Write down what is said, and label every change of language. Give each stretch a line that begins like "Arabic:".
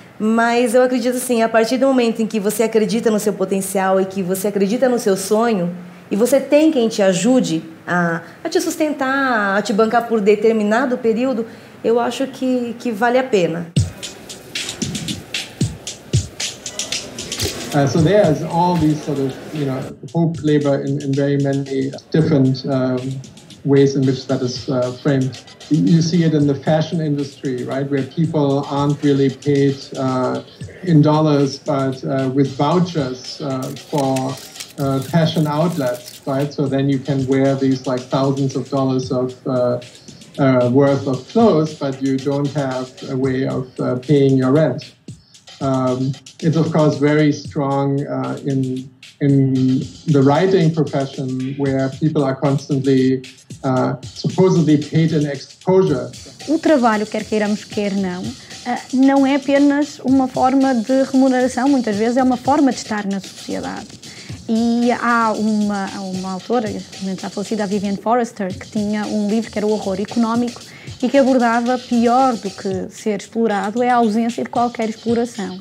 Portuguese: Mas eu acredito, assim, a partir do momento em que você acredita no seu potencial e que você acredita no seu sonho, e você tem quem te ajude a te sustentar, a te bancar por determinado período, eu acho que vale a pena.
English: So there's all these sort of, you know, hope labor in very many different ways in which that is framed. You see it in the fashion industry, right, where people aren't really paid in dollars, but with vouchers for fashion outlets, right? So then you can wear these like thousands of dollars of worth of clothes, but you don't have a way of paying your rent. It's of course very strong in the writing profession, where people are constantly supposedly paid in exposure.
Portuguese: O trabalho, quer queiramos, quer não, não é apenas uma forma de remuneração, muitas vezes é uma forma de estar na sociedade. E há uma autora, já falecida, a Vivian Forrester, que tinha um livro que era O Horror Económico e que abordava, pior do que ser explorado, é a ausência de qualquer exploração.